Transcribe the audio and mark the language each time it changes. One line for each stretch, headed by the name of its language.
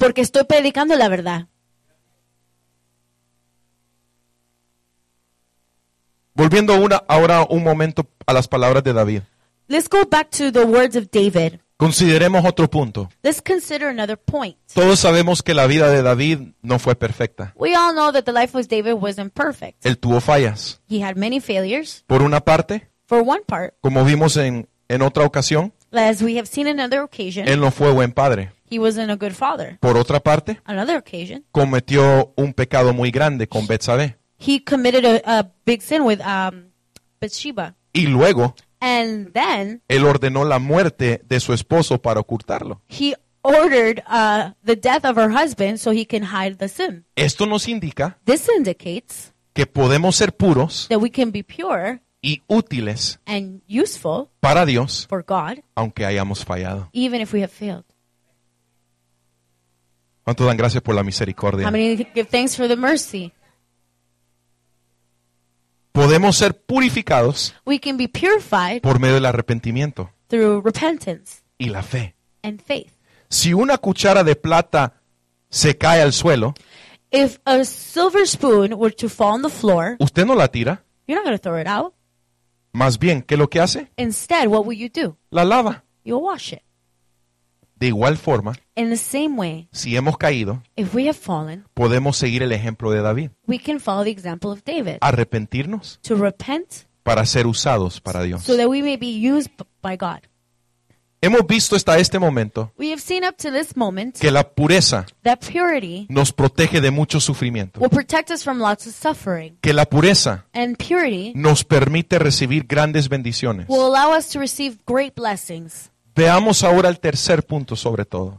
Spanish: Porque estoy predicando la verdad. Volviendo ahora un momento a las palabras de David.
English: Let's go back to the words of David.
Spanish: Consideremos otro punto.
English: Let's consider another point.
Spanish: Todos sabemos que la vida de David no fue perfecta.
English: We all know that the life of David wasn't perfect.
Spanish: Él tuvo fallas.
English: He had many failures.
Spanish: Por una parte.
English: For one part.
Spanish: Como vimos en otra ocasión.
English: As we have seen in another occasion.
Spanish: Él no fue buen padre.
English: He wasn't a good father.
Spanish: Por otra parte,
English: another occasion,
Spanish: cometió un pecado muy grande con Betsabé.
English: He committed a big sin with Bathsheba.
Spanish: Y luego,
English: and then,
Spanish: él ordenó la muerte de su esposo para ocultarlo.
English: He ordered the death of her husband so he can hide the sin.
Spanish: Esto nos indica,
English: this indicates,
Spanish: que podemos ser puros,
English: that we can be pure,
Spanish: y útiles,
English: and useful,
Spanish: para Dios,
English: for God,
Spanish: aunque hayamos fallado,
English: even if we have failed.
Spanish: ¿Cuánto dan gracias por la misericordia?
English: How many give thanks for the mercy?
Spanish: Podemos ser purificados,
English: we can be purified,
Spanish: por medio del arrepentimiento,
English: through repentance,
Spanish: y la fe,
English: and faith.
Spanish: Si una cuchara de plata se cae al suelo,
English: if a silver spoon were to fall on the floor,
Spanish: usted no la tira.
English: You're not going to throw it out.
Spanish: Más bien, ¿qué es lo que hace?
English: Instead, what will you do?
Spanish: La lava.
English: You'll wash it.
Spanish: De igual forma,
English: in the same way,
Spanish: si hemos caído,
English: if we have fallen,
Spanish: podemos seguir el ejemplo de David.
English: We can follow the example of David.
Spanish: Arrepentirnos.
English: To repent.
Spanish: Para ser usados para Dios.
English: So that we may be used by God.
Spanish: Hemos visto hasta este momento,
English: we have seen up to this moment,
Spanish: que la pureza,
English: that purity,
Spanish: nos protege de mucho sufrimiento,
English: will protect us from lots of suffering,
Spanish: que la pureza,
English: and purity,
Spanish: nos permite recibir grandes bendiciones,
English: will allow us to receive great blessings.
Spanish: Veamos ahora el tercer punto sobre todo.